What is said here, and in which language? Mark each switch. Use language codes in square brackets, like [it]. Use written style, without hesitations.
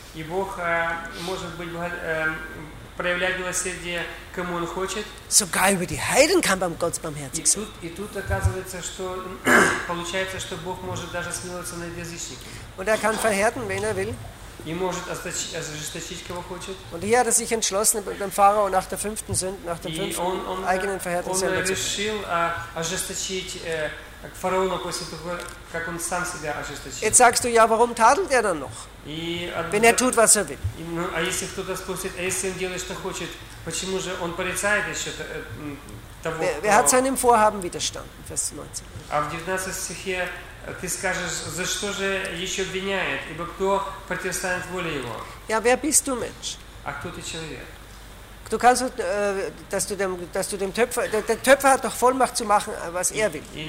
[ru] И Бог может быть проявлять милосердие кому он хочет. [de] Sogar über die Heiden kann man Gott barmherzig sein. [ru] И тут оказывается, что получается, что Бог может даже смиловаться над язычниками. [de] Und er kann verhärten, wen er will. [ru] И может ожесточить, кого хочет. [de] Und hier hat er sich entschlossen, dem Pharao nach der fünften Sünde, nach dem fünften eigenen Verhärten selber zu. [ru] Он решил ожесточить как фараона после того, как он сам себя ожесточил. [de] Jetzt sagst du, ja, warum tadelt er dann noch? Wenn er tut, was er will. [ru] А если кто-то спросит, а если он делает, что хочет, почему же он порицает еще того? [de] Wer hat seinem Vorhaben widerstanden? Vers 19. [ru] А в 19 стихе ты скажешь, за что же еще обвиняет, ибо кто противостанет воле его? [de] Ja, wer bist du, Mensch? [ru] А кто ты, человек? [de] Du kannst, dass du dem Töpfer, der Töpfer hat doch Vollmacht zu machen, was er will.